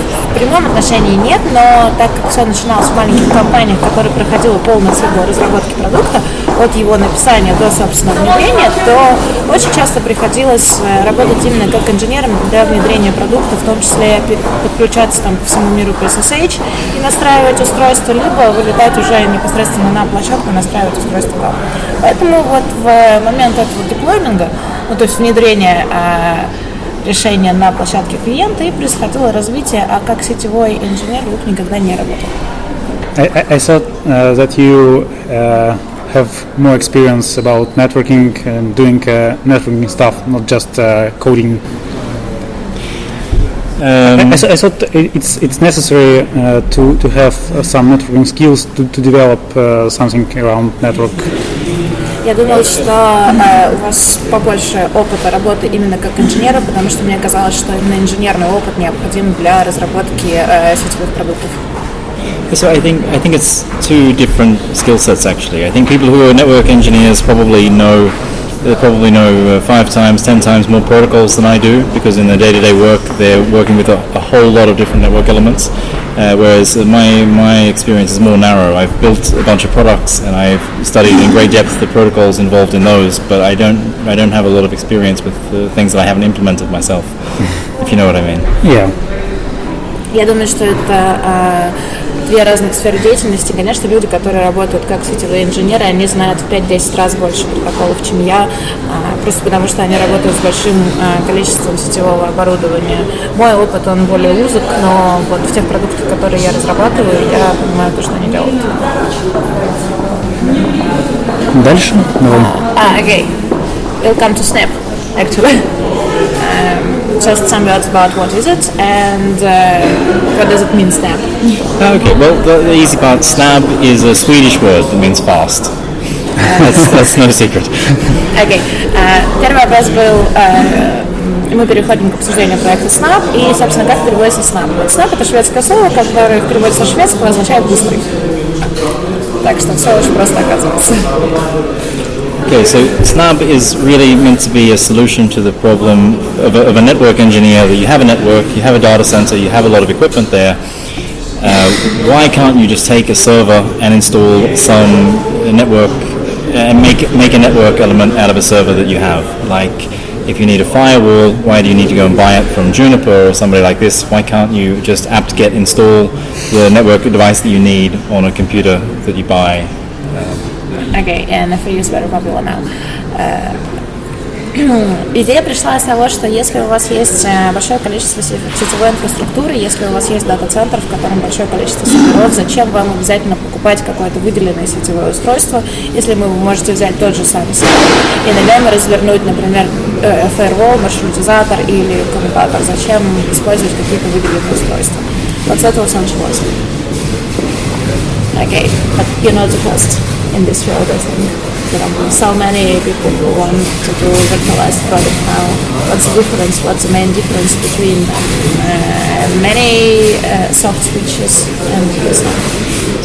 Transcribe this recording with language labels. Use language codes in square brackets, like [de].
[ru] В прямом отношении нет, но так как все начиналось в маленьких компаниях, которые проходили полный цикл разработки продукта, от его написания до, собственно, внедрения, то очень часто приходилось работать именно как инженером для внедрения продукта, в том числе подключаться там по всему миру к SSH и настраивать устройство, либо вылетать уже непосредственно на площадку и настраивать устройство там. Поэтому вот в момент этого деплойминга, ну то есть внедрения решения на площадке клиента и происходило развитие, а как сетевой инженер Люк никогда не работал. [en] I thought that you have more experience about networking and doing networking stuff, not just coding. I thought it's necessary to have some networking skills to develop something around network. [ru] Я думала, что у вас побольше опыта работы именно как инженера, потому что мне казалось, что именно инженерный опыт необходим для разработки сетевых продуктов. [en] So I think it's two different skill sets actually. I think people who are network engineers probably know 5 times, 10 times more protocols than I do, because in their day-to-day work they're working with a whole lot of different network elements. Whereas my experience is more narrow. I've built a bunch of products and I've studied in great depth the protocols involved in those, but I don't have a lot of experience with the things that I haven't implemented myself, if you know what I mean. Yeah. [ru] Я думаю, что это две разных сферы деятельности. Конечно, люди, которые работают как сетевые инженеры, они знают в 5-10 раз больше протоколов, чем я, просто потому что они работают с большим количеством сетевого оборудования. Мой опыт, он более узок, но вот в тех продуктах, которые я разрабатываю, я понимаю то, что они делают. Дальше? Окей. [en] It'll come to Snap, actually. Just some words about what is it and what does it mean, SNAB? Okay, well, the easy part, SNAB is a Swedish word that means fast. That's no secret. [ru] Okay, первый вопрос был, мы переходим к обсуждению проекта SNAB и, собственно, как переводится SNAB. SNAB — это шведское слово, которое переводится в шведское, означает быстрый. Так что все очень просто оказывается. [en] Okay, so SNAB is really meant to be a solution to the problem of a network engineer, that you have a network, you have a data center, you have a lot of equipment there. Why can't you just take a server and install some network and make a network element out of a server that you have? Like, if you need a firewall, why do you need to go and buy it from Juniper or somebody like this? Why can't you just apt-get install the network device that you need on a computer that you buy? Okay, and if we use very popular now. [ru] Идея пришла из того, что если у вас есть большое количество сетевой инфраструктуры, если у вас есть дата-центр, в котором большое количество серверов, зачем вам обязательно покупать какое-то выделенное сетевое устройство, если вы можете взять тот же самый сервер и на нем развернуть, например, фаервол, маршрутизатор или коммутатор, зачем использовать какие-то выделенные устройства? Вот с этого все началось. [en] Okay, but you're not the first. In this world, I think there are so many people who want to do virtualized product now. What's the difference? What's the main difference between many soft switches and SNAP?